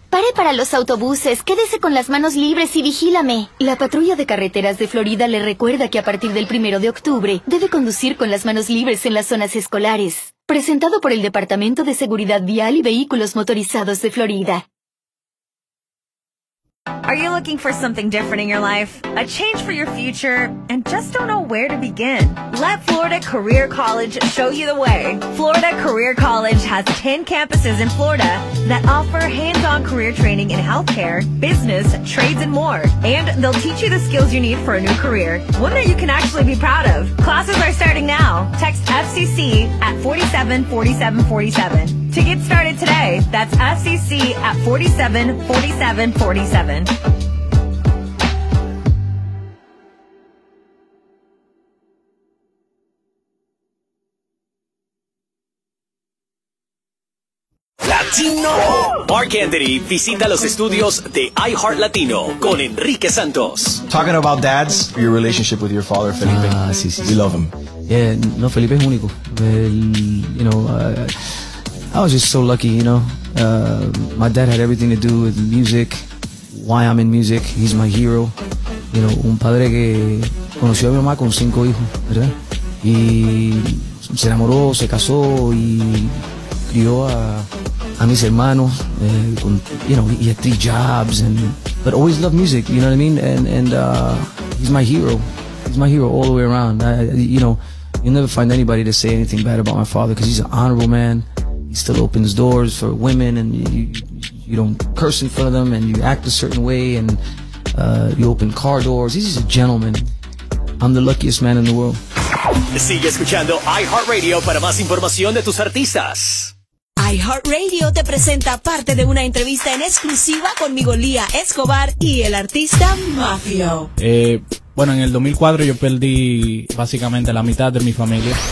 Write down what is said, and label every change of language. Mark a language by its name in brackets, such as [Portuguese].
[Spanish] Pare para los autobuses, quédese con las manos libres y vigílame. La patrulla de carreteras de Florida le recuerda que a partir del 1 de octubre debe conducir con las manos libres en las zonas escolares. Presentado por el Departamento de Seguridad Vial y Vehículos Motorizados de Florida. [English] Are you looking for something different in your life? A change for your future and just don't know where to begin? Let Florida Career College show you the way. Florida Career College has 10 campuses in Florida that offer hands-on career training in healthcare, business, trades, and more. And they'll teach you the skills you need for a new career, one that you can actually be proud of. Classes are starting now. Text FCC at 474747. To get started today, that's FCC at 474747. [Spanish] Latino. Mark Anthony visita los estudios de iHeart Latino con Enrique Santos. [English] Talking about dads, your relationship with your father, Felipe. [Spanish] Ah, sí, sí. [English] We love him. [Spanish] Yeah, no, Felipe es único. [English] You know, I was just so lucky, you know. My dad had everything to do with music, why I'm in music. He's my hero. You know, [Spanish] un padre que conoció a mi mamá con 5 hijos, ¿verdad? Y se enamoró, se casó y crió a mis hermanos, con, [English] you know, he had 3 jobs, and but always loved music, you know what I mean? And he's my hero. He's my hero all the way around. You know, you'll never find anybody to say anything bad about my father because he's an honorable man. He still opens doors for women, and you don't curse in front of them, and you act a certain way, and you open car doors. He's just a gentleman. I'm the luckiest man in the world. [Spanish] Sigue escuchando iHeartRadio para más información de tus artistas. iHeartRadio te presenta parte de una entrevista en exclusiva con Migolía Escobar y el artista Mafio. Bueno, en el 2004 yo perdí básicamente la mitad de mi familia.